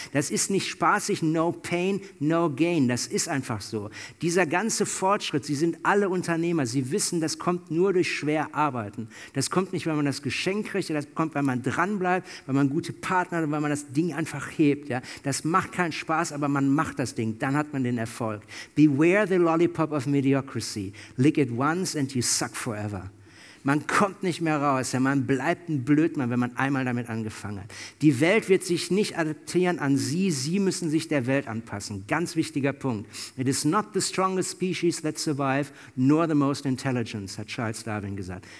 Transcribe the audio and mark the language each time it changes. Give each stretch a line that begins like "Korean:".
German: Das ist nicht spaßig,
English: no pain, no gain.
German: Das ist einfach so. Dieser ganze Fortschritt, Sie sind alle Unternehmer, Sie wissen, das kommt nur durch schwer Arbeiten. Das kommt nicht, weil man das Geschenk kriegt, das kommt, weil man dranbleibt, weil man gute Partner hat und weil man das Ding einfach hebt. Ja? Das macht keinen Spaß, aber man macht das Ding. Dann hat man den Erfolg.
English: Beware the lollipop of mediocrity. Lick it once and you suck forever.
German: Man kommt nicht mehr raus. Ja? Man bleibt ein Blödmann, wenn man einmal damit angefangen hat. Die Welt wird sich nicht adaptieren an Sie. Sie müssen sich der Welt anpassen. Ganz wichtiger Punkt.
English: It is not the strongest species that survive, nor the most intelligent,
German: hat Charles Darwin gesagt.